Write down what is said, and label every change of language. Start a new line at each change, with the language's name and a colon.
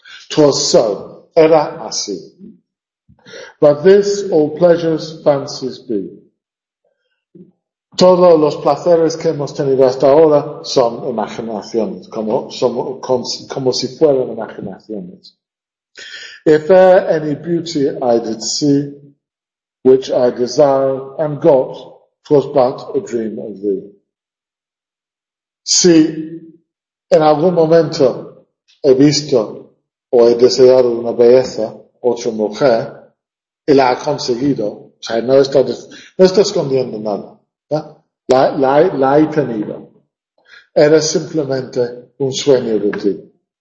English: Twas so.
Spanish: Era así.
English: But this all pleasures fancies be.
Spanish: Todos los placeres que hemos tenido hasta ahora son imaginaciones, como si fueran imaginaciones.
English: If there any beauty I did see, which I desired and got, 'twas but a dream of thee.
Spanish: Si en algún momento he visto o he deseado una belleza, otra mujer, y la ha conseguido, o sea, no está escondiendo nada, ¿eh? La he tenido. Era simplemente un sueño de ti.